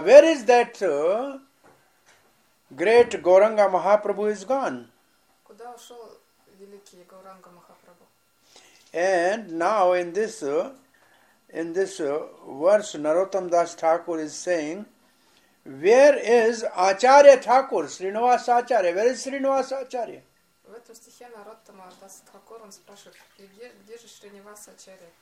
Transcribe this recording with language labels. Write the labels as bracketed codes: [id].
[en] Where is that great Gauranga Mahaprabhu is gone? [ru] Куда ушел великий Гауранга Махапрабху? [en] And now in this verse, Narottam Das Thakur is saying, where is Acharya Thakur, Srinivas Acharya? Where is Srinivas Acharya? [ru] В этом стихе Нароттама Дас Тхакур он спрашивает, где же Шринивас Ачарья?